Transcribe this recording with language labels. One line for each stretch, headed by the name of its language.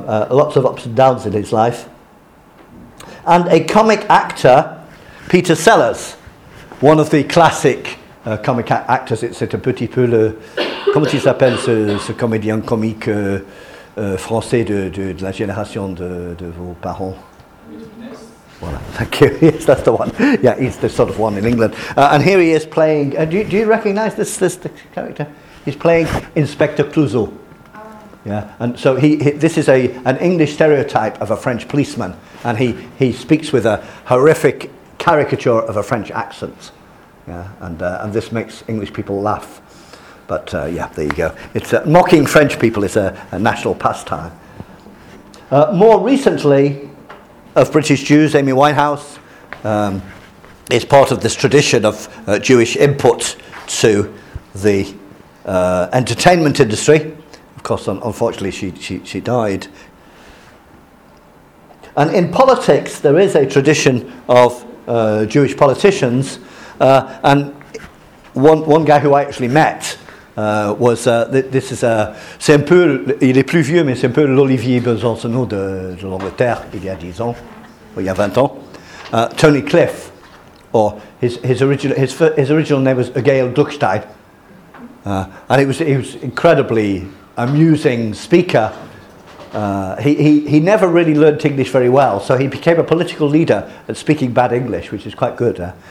English: Lots of ups and downs in his life. And a comic actor, Peter Sellers, one of the classic comic actors. It's
French: un petit peu le, comment il s'appelle ce comédien comique français de la génération de vos parents.
English: Voilà, thank you. Yes, that's the one. Yeah, he's the sort of one in England. And here he is playing. Do you recognise this character? He's playing Inspector Clouseau. Yeah, and so this is an English stereotype of a French policeman, and he speaks with a horrific caricature of a French accent. Yeah, and this makes English people laugh. But yeah, there you go. It's mocking French people is a national pastime. More recently, of British Jews, Amy Winehouse is part of this tradition of Jewish input to the entertainment industry. Of course, unfortunately, she died. And in politics, there is a tradition of Jewish politicians. And one guy who I actually met was this is a
French: c'est un peu il est plus vieux mais c'est un peu l'Olivier Besancenot de l'Angleterre il y a 10 ans. Il y a 20 ans,
English: Tony Cliff, or his original name was Gail Gluckstein, and he was incredibly amusing speaker. He never really learned English very well, so he became a political leader at speaking bad English, which is quite good.